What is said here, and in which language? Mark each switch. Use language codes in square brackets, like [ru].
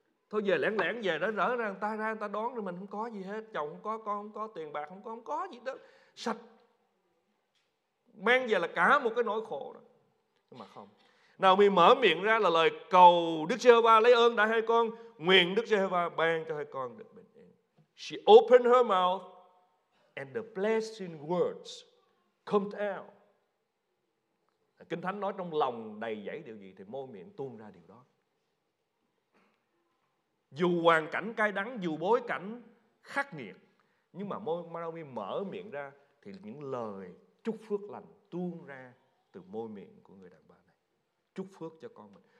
[vi] Thôi về lẻn lẻn về đó, rỡ ra người ta ra người ta đón, rồi mình không có gì hết, chồng không có, con không có, tiền bạc không có, không có gì đó, sạch. Mang về là cả một cái nỗi khổ đó. Nhưng mà không. Naomi mở miệng ra là lời cầu Đức Giê-hô-va lấy ơn đãi hai con, nguyện Đức Giê-hô-va ban cho hai con được bình yên. [en] She opened her mouth and the blessing words come out. [vi] Kinh Thánh nói trong lòng đầy dẫy điều gì thì môi miệng tuôn ra điều đó. Dù hoàn cảnh cay đắng, dù bối cảnh khắc nghiệt, nhưng mà môi Naomi mở miệng ra thì những lời chúc phước lành tuôn ra từ môi miệng của người đàn bà này. Chúc phước cho con mình.